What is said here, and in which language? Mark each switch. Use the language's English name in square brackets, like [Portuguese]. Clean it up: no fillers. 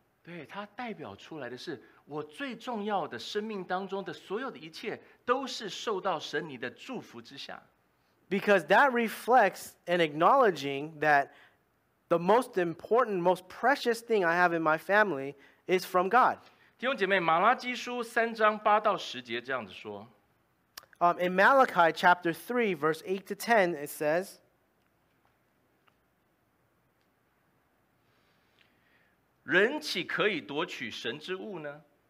[Chinese] 对，它代表出来的是我最重要的生命当中的所有的一切都是受到神你的祝福之下。 [English] Because that reflects an acknowledging that the most important, most precious thing I have in my family is from God. [Chinese] 弟兄姐妹，马拉基书三章八到十节这样子说。 [English] In Malachi chapter 3, verse 8 to 10, it says, [Chinese] 人岂可以夺取神之物呢？